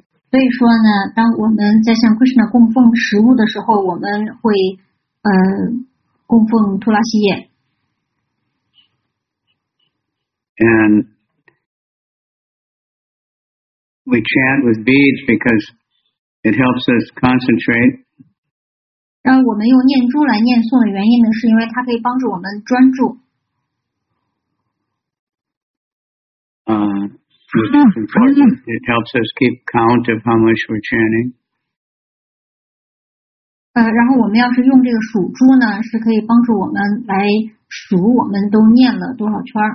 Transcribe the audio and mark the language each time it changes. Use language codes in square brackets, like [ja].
[zh] 所以说呢，当我们在向 Krishna 供奉食物的时候，我们会供奉托拉西叶。 [en] And we chant with beads because it helps us concentrate. [zh] 让我们用念珠来念诵的原因呢，是因为它可以帮助我们专注。 [en] It helps us keep count of how much we're chanting. [zh] 然后我们要是用这个数珠呢，是可以帮助我们来数我们都念了多少圈。